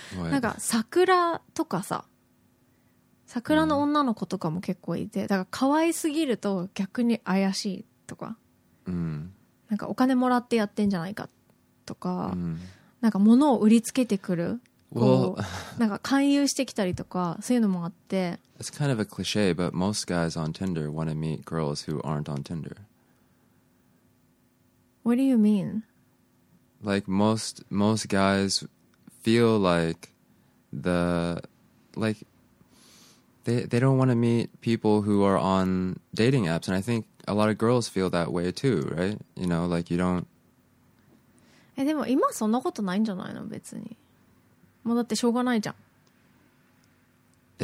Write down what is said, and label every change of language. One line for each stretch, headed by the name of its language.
Japanese: なんか桜とかさ、桜の女の子とかも結構いて、だから可愛すぎると逆に怪しいとか、なんかお金もらってやってんじゃないかとか、なんか物を売りつけてくる Well, なんか勧誘してきたりとかそういうのもあって。
English: It's kind of a cliche, but most guys on Tinder want to meet girls who aren't on Tinder. What do you mean? Like most guys feel like they don't want to meet people who are on dating apps, and I think a lot of girls feel that way too, right? You know, like you don't.
Japanese: でも今そんなことないんじゃないの別に。もうだってしょうがないじゃん。